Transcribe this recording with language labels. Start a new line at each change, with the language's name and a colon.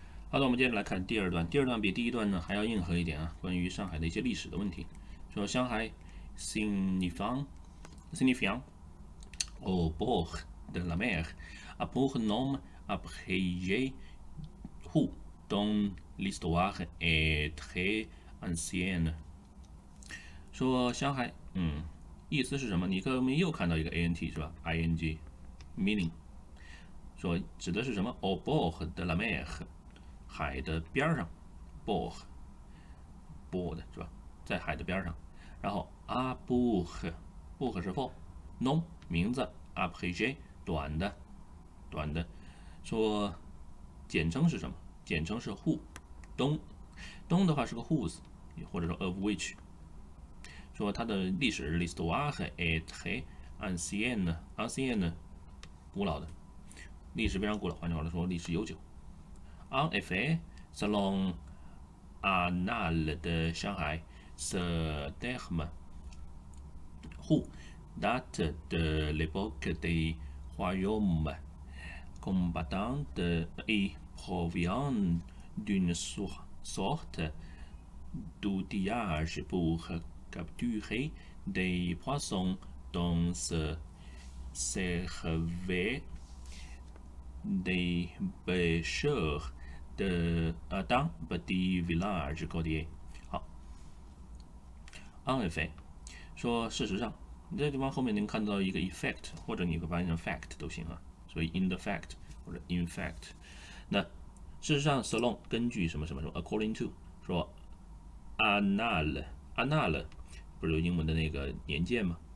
Chinese: 好的，我们接下来看第二段。第二段比第一段呢还要硬核一点啊，关于上海的一些历史的问题。说上海，
French: Signifiant au bord de la mer, a pour nom abrégé Hou, dont l'histoire est très ancienne。
Chinese: 说上海，意思是什么？你刚刚又看到一个 ant 是吧？ing，meaning，说指的是什么？
French: au bord de la mer。
Chinese: 海的边上，bord 是吧？在海的边上，然后 abrégé 是 for nom 名字，abrégé 短的，说简称是什么？简称是 who，dont 的话是个 whose 或者说
English: of which，
Chinese: 说它的历史
French: l'histoire est ancienne
Chinese: 古老的，历史非常古老，换句话说历史悠久。
French: En effet, selon Annales de Shanghai, ce terme, Hu, date de l'époque des royaumes combattants et provient d'une sorte d'outillage pour capturer des poissons dont se servaient des pêcheurs. Dans un petit village côtier.
Chinese: 好，
French: en effet，
Chinese: 说事实上，你这地方后面能看到一个 effect，或者你可以翻译成 fact 都行啊。所以
English: in the fact
Chinese: 或者
English: in fact，
Chinese: 那事实上 so long 根据什么什么什么
English: according to
Chinese: 说 annales 不是有英文的那个年鉴吗？